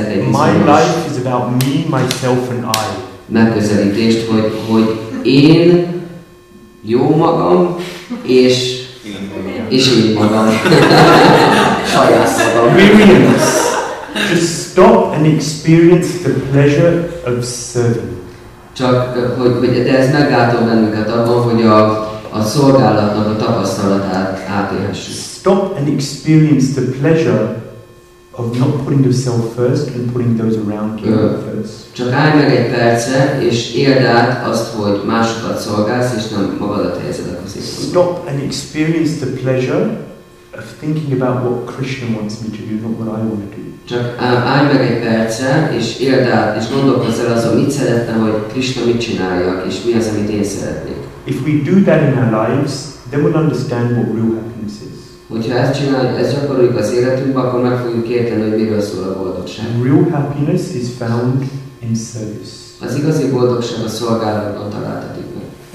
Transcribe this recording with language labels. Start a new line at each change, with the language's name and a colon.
English: My life is about me, myself and I.
Hungarian: Megközelítést, hogy én jó magam és én magam. Saját magam.
English: Experience. Just stop and experience the pleasure of serving.
Hungarian: Csak hogy de ez megálltom bennünket abban, hogy a szolgálatnak a tapasztalatát átélhessük.
English: Stop and experience the pleasure of not putting yourself first and putting those around you first.
Hungarian: Csak állj meg egy perce, és éld át azt, hogy másokat szolgálsz, és nem magadat helyezed a középpontba.
English: Stop and experience the pleasure of thinking about what Krishna wants me to do, not what I want to do.
Hungarian: Csak állj meg egy perce, és éld át, és gondolkozz el azon, mit szeretne, hogy Krishna mit csináljak, és mi az, amit én szeretnék.
English: If we do that in our lives, then we'll understand what real happiness is.
Hungarian: Hogyha ezt csináljuk, ezt gyakoroljuk az életünkben, akkor meg fogjuk érteni, hogy miről szól a boldogság.
English: Real happiness is found in service.
Hungarian: Az igazi boldogság a szolgálatban találhatatik meg.